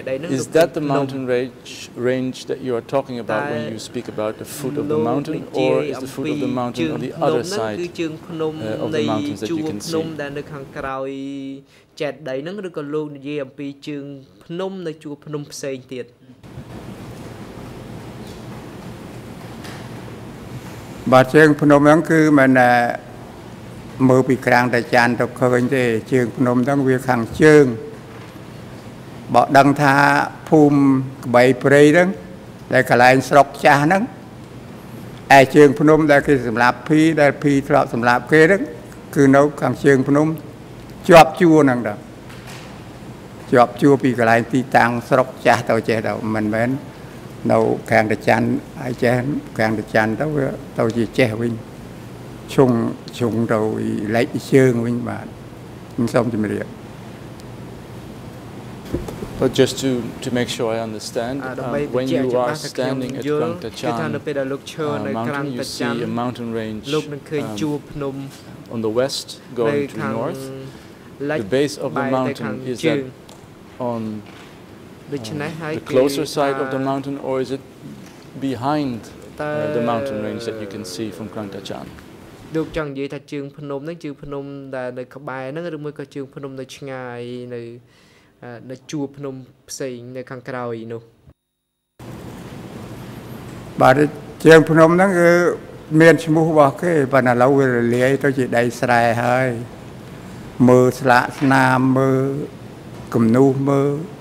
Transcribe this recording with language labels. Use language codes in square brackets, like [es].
[en] Is that the mountain range that you are talking about when you speak about the foot of the mountain, or is the foot of the mountain on the other side of the mountains that you can see? [km] ចេតដីហ្នឹងឬក៏លោកនិយាយអំពីជើងភ្នំនៅជួរភ្នំផ្សេងទៀត បាទជើងភ្នំហ្នឹងគឺមែនតែមើលពីក្រាំងតាចានទៅឃើញទេជើងភ្នំហ្នឹងវាខាងជើងបើដឹងថាភូមិក្បីព្រៃហ្នឹងដែលកន្លែងស្រុកចាស់ហ្នឹងឯជើងភ្នំដែលគេសម្លាប់ភីដែលភីធ្លាប់សម្លាប់គេហ្នឹងគឺនៅខាងជើងភ្នំជាប់ជួរហ្នឹងតា ជាប់ជួរពីកន្លែងទីតាំងស្រុកចាស់ទៅចេះទៅមិនមែននៅខាងតាច័ន្ទហើយចេះខាងតាច័ន្ទទៅវាទៅជាចេះវិញឈុងឈុងទៅលេខជើងវិញបាទខ្ញុំសូមជម្រាប [en] But just to make sure I understand, when you are standing at Krang Ta Chan mountain, you see a mountain range on the west going to the north. The base of the mountain, is that on the closer side of the mountain, or is it behind the mountain range that you can see from Krang Ta Chan? [km] ដូចចង់និយាយថាជើងភ្នំហ្នឹងជើងភ្នំដែលនៅក្បែរហ្នឹងឬមួយក៏ជើងភ្នំនៅឆ្ងាយនៅនៅជួរភ្នំផ្សេងនៅខាងក្រោយនោះ បាទជើងភ្នំហ្នឹងគឺមានឈ្មោះរបស់គេប៉ុន្តែឡូវរលាយទៅជាដីស្រែហើយមើលស្លាកស្នាមមើលគំនូសមើល